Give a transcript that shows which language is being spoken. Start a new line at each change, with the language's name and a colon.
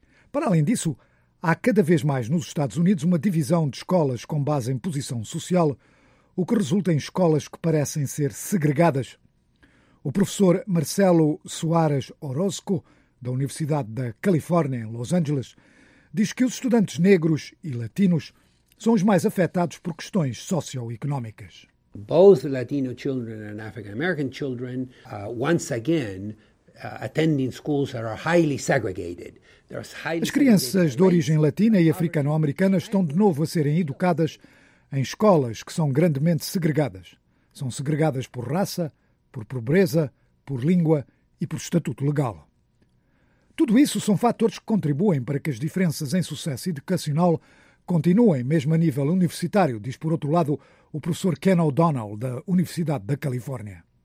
Portuguese: Para além disso, há cada vez mais nos Estados Unidos uma divisão de escolas com base em posição social, o que resulta em escolas que parecem ser segregadas. O professor Marcelo Soares Orozco, da Universidade da Califórnia, em Los Angeles, diz que os estudantes negros e latinos são os mais afetados por questões socioeconómicas.
English: Both Latino children and African-American children, once again, attending schools that are highly segregated.
Portuguese: As crianças de origem latina e africano-americana estão de novo a serem educadas em escolas que são grandemente segregadas. São segregadas por raça, por pobreza, por língua e por estatuto legal. Tudo isso são fatores que contribuem para que as diferenças em sucesso educacional continuem, mesmo a nível universitário, diz, por outro lado, o professor Ken O'Donnell, da Universidade da Califórnia.